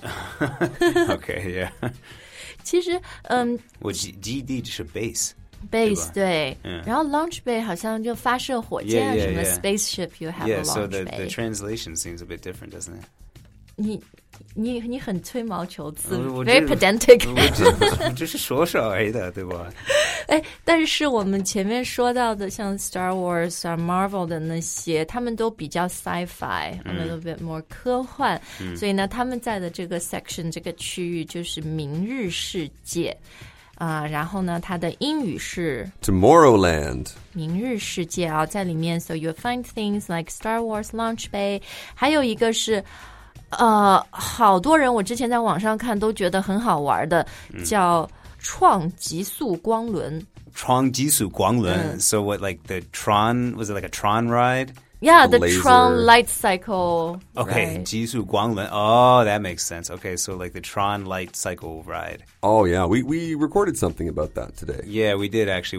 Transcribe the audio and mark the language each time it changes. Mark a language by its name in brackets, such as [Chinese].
[English] okay, yeah. [Chinese] 其实，我GD 就是 base。 [English] Base, [Chinese] 对。 [English] Yeah. [Chinese] 然后 launch bay 好像就发射火箭 什么 [English] spaceship, you have a Yeah, so the translation seems a bit different, doesn't it? [Chinese] 你很吹毛求疵， [English] very pedantic. [Chinese] 我就是说说而已的，对吧？哎，但是我们前面说到的，像 Star Wars 啊、Marvel 的那些，他们都比较 [English] sci-fi, a little bit more [Chinese] 科幻，所以呢，他们在的这个 section 这个区域就是明日世界啊，然后呢，它的英语是 [English] Tomorrowland, [Chinese] 明日世界啊，在里面 [English] ，so you find things like Star Wars Launch Bay, [Chinese] 还有一个是。好多人我之前在网上看都觉得很好玩的叫创极速光轮。创极速光轮、 [English] So what like the Tron, was it like a Tron ride? Yeah, the Tron light cycle. Okay, 极速光轮 Oh, that makes sense. Okay, so like the Tron light cycle ride. Oh yeah, we recorded something about that today. Yeah, we did actually.